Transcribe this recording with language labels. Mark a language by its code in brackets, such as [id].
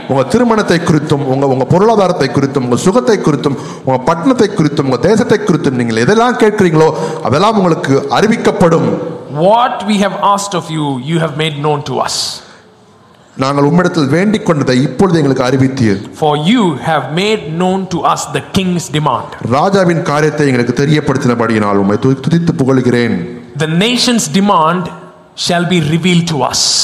[ta] உங்க திருமணத்தை குறித்தும், உங்க பொருளாதாரத்தை குறித்தும், உங்க சுகத்தை குறித்தும், உங்க பட்டணத்தை குறித்தும், உங்க தேசத்தை குறித்தும் நீங்க எதெல்லாம் கேக்குறீங்களோ அதெல்லாம் உங்களுக்கு அறிவிக்கப்படும். [en] What we have asked of you, you have made known to us. [ta] நாங்கள் உம்மிடத்தில் வேண்டிக்கொண்டதை இப்பொழுது எங்களுக்கு அறிவித்தீர். [en] For you have made known to us the king's demand. [ta] ராஜாவின் காரியத்தை எங்களுக்கு தெரியப்படுத்தினபடியினால் உம்மை துதித்து புகழுகிறேன். [en] The nation's demand shall be revealed to us.